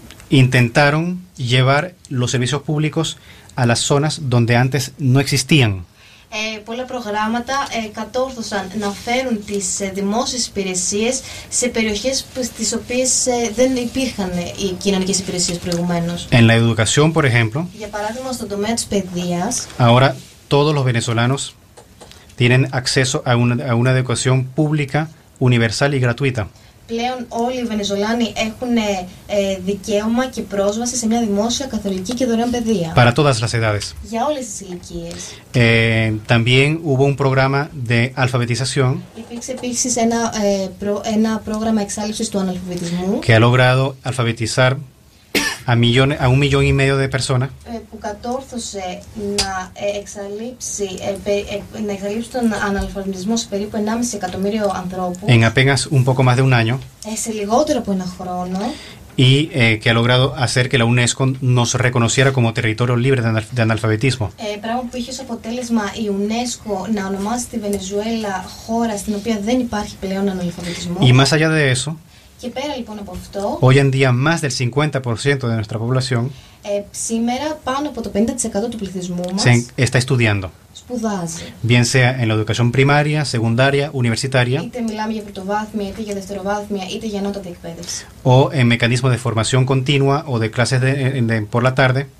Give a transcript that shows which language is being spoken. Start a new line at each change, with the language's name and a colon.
Spanish: intentaron llevar los servicios públicos a las zonas donde antes no existían.
Greek: Πολλά προγράμματα κατόρθωσαν να φέρουν τις δημόσιες υπηρεσίες σε περιοχές στις οποίες δεν υπήρχαν οι κοινωνικές υπηρεσίες προηγουμένως.
Spanish: En la educación, por ejemplo.
Greek: Για παράδειγμα, στον τομέα της παιδείας.
Spanish: Ahora todos los venezolanos tienen acceso a una educación pública universal y gratuita.
Greek: Πλέον όλοι οι Βενεζολάνοι έχουν δικαίωμα και πρόσβαση σε μια δημόσια καθολική και δωρεάν παιδεία.
Spanish: Para todas las edades.
Greek: Για όλες τις ηλικίες.
Spanish: También hubo un programa de alfabetización.
Greek: Υπήρξε επίσης ένα πρόγραμμα εξάλειψης του αναλφαβητισμού.
Spanish: Que ha logrado alfabetizar a 1,5 millones de personas.
Greek: Που κατόρθωσε να εξαλείψει τον αναλφαβητισμό σε περίπου 1,5 εκατομμύριο ανθρώπους.
Spanish: En apenas un poco más de un año.
Greek: Σε λιγότερο από ένα χρόνο.
Spanish: Y que ha logrado hacer que la UNESCO nos reconociera como territorio libre de analfabetismo.
Greek: Πράγμα που είχε ως αποτέλεσμα η UNESCO να ονομάσει τη Βενεζουέλα χώρα στην οποία δεν υπάρχει πλέον αναλφαβητισμό.
Spanish: Y más allá de eso.
Greek: Και πέρα λοιπόν από αυτό,
Spanish: hoy en día más del 50% de nuestra población
Greek: σήμερα πάνω από το 50% του πληθυσμού μας
Spanish: está estudiando.
Greek: Σπουδάζει.
Spanish: Bien sea en la educación primaria, secundaria, universitaria.
Greek: Είτε μιλάμε για πρωτοβάθμια, είτε για δευτεροβάθμια, είτε για ανώτατη εκπαίδευση.
Spanish: O en mecanismo de formación continua o de clases de por la tarde.